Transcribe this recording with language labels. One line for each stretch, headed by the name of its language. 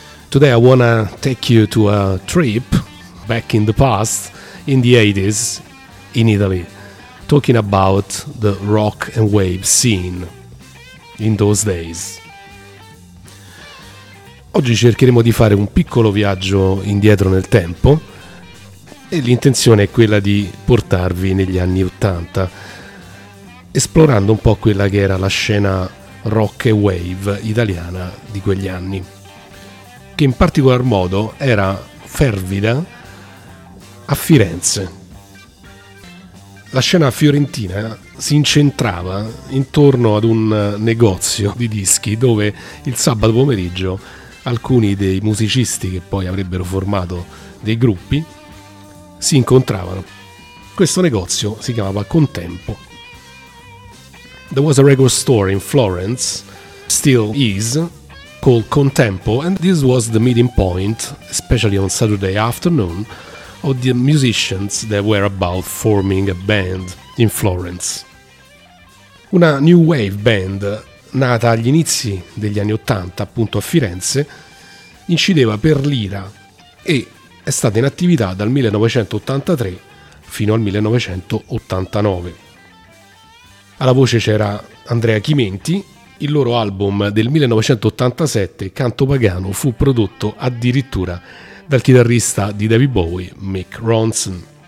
English: Today I wanna take you to a trip back in the past, in the 80s, in Italy, talking about the rock and wave scene in those days.
Italian: Oggi cercheremo di fare un piccolo viaggio indietro nel tempo e l'intenzione è quella di portarvi negli anni 80, esplorando un po' quella che era la scena rock e wave italiana di quegli anni, che in particolar modo era fervida a Firenze. La scena fiorentina si incentrava intorno ad un negozio di dischi dove il sabato pomeriggio alcuni dei musicisti che poi avrebbero formato dei gruppi si incontravano. Questo negozio si chiamava Contempo.
English: There was a record store in Florence, still is, called Contempo, and this was the meeting point, especially on Saturday afternoon, of the musicians that were about forming a band in Florence.
Italian: Una new wave band nata agli inizi degli anni Ottanta, appunto a Firenze, incideva per lira e è stata in attività dal 1983 fino al 1989. Alla voce c'era Andrea Chimenti. Il loro album del 1987, Canto Pagano, fu prodotto addirittura dal chitarrista di David Bowie, Mick Ronson.